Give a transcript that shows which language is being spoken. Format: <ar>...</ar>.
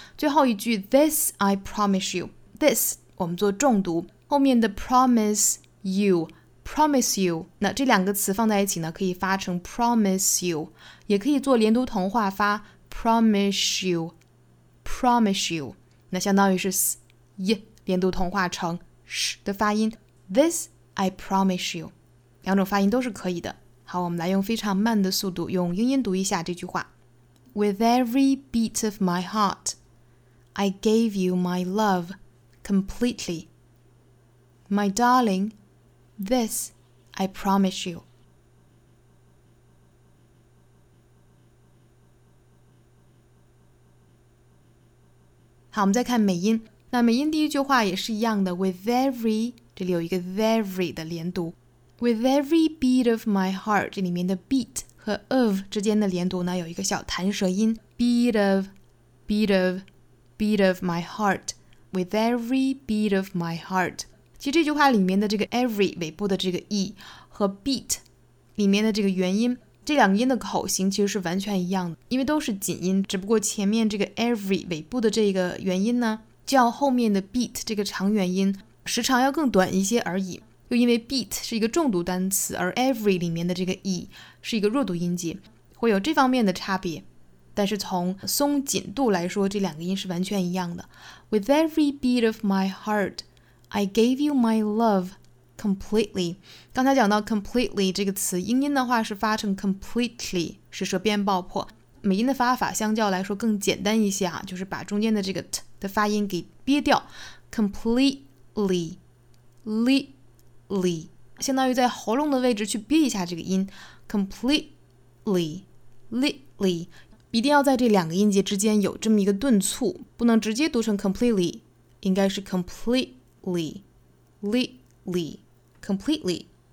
<zh>最后一句</zh> <en>This I promise you,</en> <zh>This 我们做重读，后面的 promise you promise you， 那这两个词放在一起呢，可以发成 promise you， 也可以做连读同话发 promise you promise you， 那相当于是 s y 连读同话成 sh 的发音。</zh> <en>This I promise you，</en> <zh>两种发音都是可以的。好，我们来用非常慢的速度用英音读一下这句话。</zh> <en>With every beat of my heart I gave you my love completely. My darling, this I promise you.</en> <zh>好，我们再看美音。那美音第一句话也是一样的， With every， 这里有一个 very 的连读。</zh> <en>With every beat of my heart，</en> <zh>这里面的 beat 和 of 之间的连读呢，有一个小弹舌音 beat of beat of beat of my heart， with every beat of my heart。其实这句话里面的这个 every 尾部的这个 e 和 beat 里面的这个元音，这两个音的口型其实是完全一样的，因为都是紧音，只不过前面这个 every 尾部的这个元音呢，叫后面的 beat 这个长元音时长要更短一些而已。又因为 beat 是一个重读单词，而 every 里面的这个 e 是一个弱读音节，会有这方面的差别。但是从松紧度来说，这两个音是完全一样的。</zh> <en>With every beat of my heart I gave you my love completely。</en> <zh>刚才讲到 completely 这个词，英音的话是发成 completely， 是舌边爆破。美音的发法相较来说更简单一些，就是把中间的这个 t 的发音给憋掉， completely li 相当于在喉咙的位置去憋一下这个音， completely li，一定要在这两个音节之间有这么一个顿促，不能直接读成 completely， 应该是 completely li completely。</zh>